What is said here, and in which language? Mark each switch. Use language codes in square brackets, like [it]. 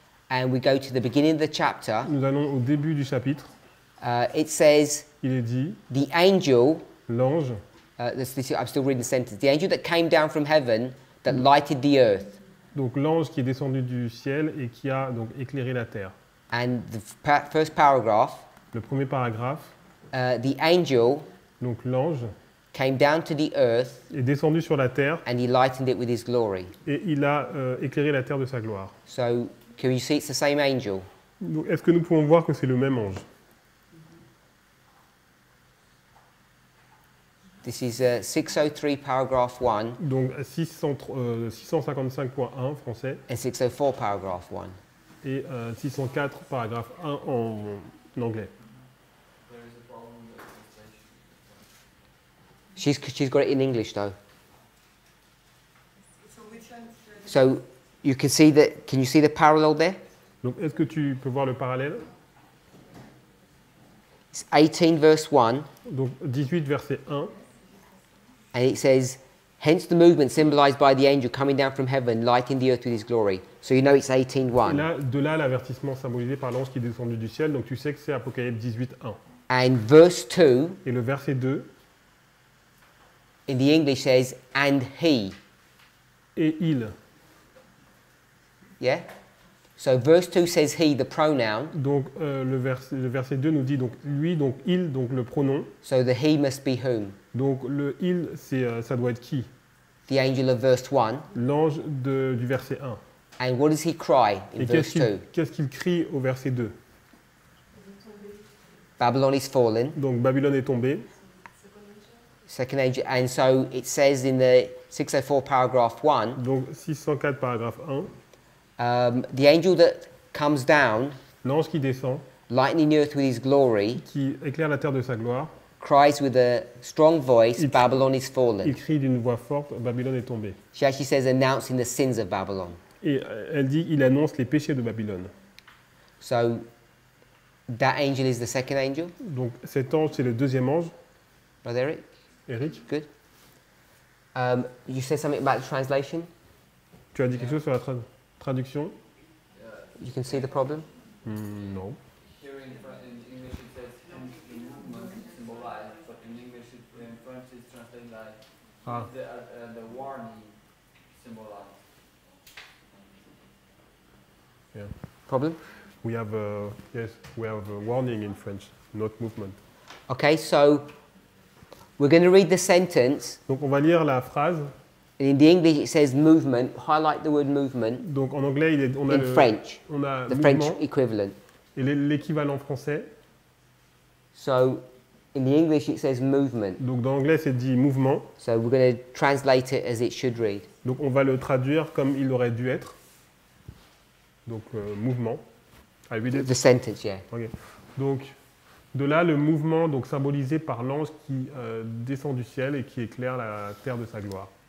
[en] and we go to the beginning of the chapter, [fr] nous allons au début du chapitre, [en] it says, [fr] il est dit, [en] the angel, [fr] l'ange, [en] I'm still reading the sentence, the angel that came down from heaven that lighted the earth. [fr] Donc l'ange qui est descendu du ciel et qui a donc éclairé la terre. [en] And the first paragraph. [fr] Le premier paragraphe. [en] The angel. [fr] Donc l'ange. [en] Came down to the earth. [fr] Est descendu sur la terre. [en] And he lightened it with his glory. [fr] Et il a éclairé la terre de sa gloire. [en] So can you see it's the same angel? [fr] Donc, est-ce que nous pouvons voir que c'est le même ange? [en] This is 603 paragraph 1. [fr] Donc 655.1 français. [en] And 604 paragraph 1. [fr] Et 604 paragraphe 1 en anglais. [en] She's got it in English though. So you can see that, can you see the parallel there? [fr] Donc est-ce que tu peux voir le parallèle? [en] It's 18 verse 1. [fr] Donc 18 verset 1. [en] And it says, hence the movement symbolized by the angel coming down from heaven, lighting the earth with his glory. So you know it's 18:1. [fr] Là, de là l'avertissement symbolisé par l'ange qui est descendu du ciel, donc tu sais que c'est Apocalypse 18:1. [en] And verse 2. [fr] Et le verset 2. [en] In the English says, and he. [fr] Et il. [en] Yeah? So verse 2 says he, the pronoun. [fr] Donc le verset 2 nous dit donc lui, donc il, donc le pronom. [en] So the he must be whom? [fr] Donc le il, c'est, ça doit être qui? [en] The angel of verse 1. [fr] L'ange du verset 1. [en] And what does he cry in [fr] Et [en] verse 2? [fr] Qu'est-ce qu'il crie au verset 2? [en] Babylon is fallen. [fr] Donc Babylone est tombée. [en] Second angel. And so it says in the 604 paragraph 1. [fr] Donc 604 paragraphe 1. [en] The angel that comes down, [fr] l'ange qui descend, [en] lightning the earth with his glory, [fr] qui éclaire la terre de sa gloire, [en] cries with a strong voice, Babylon is fallen. [fr] Il crie d'une voix forte, Babylone est tombée. [en] She actually says, announcing the sins of Babylon. [fr] Et elle dit, il annonce les péchés de Babylone. [en] So, that angel is the second angel. [fr] Donc cet ange, c'est le deuxième ange. [en] Brother Eric? Eric? Good. You said something about the translation? [fr] Tu as dit quelque chose sur la traduction? Traduction? [en] You can see the problem? No. Here in English it says the movement symbolized, but in English it, in French it's translated like the warning symbolized. Yeah. Problem? We have a warning in French, not movement. Okay, so we're going to read the sentence. [fr] Donc on va lire la phrase. [en] In the English, it says movement. Highlight the word movement. [fr] Donc en anglais, on a [en] in [fr] le, [en] French, [fr] on a [en] the French equivalent. [fr] Et l'équivalent français. [en] So, in the English, it says movement. [fr] Donc dans l'anglais, c'est dit mouvement. [en] So we're going to translate it as it should read. [fr] Donc on va le traduire comme il aurait dû être. Donc mouvement. [en] I read it. The sentence, yeah. Okay. [fr] Donc de là, le mouvement donc symbolisé par l'ange qui descend du ciel et qui éclaire la terre de sa gloire.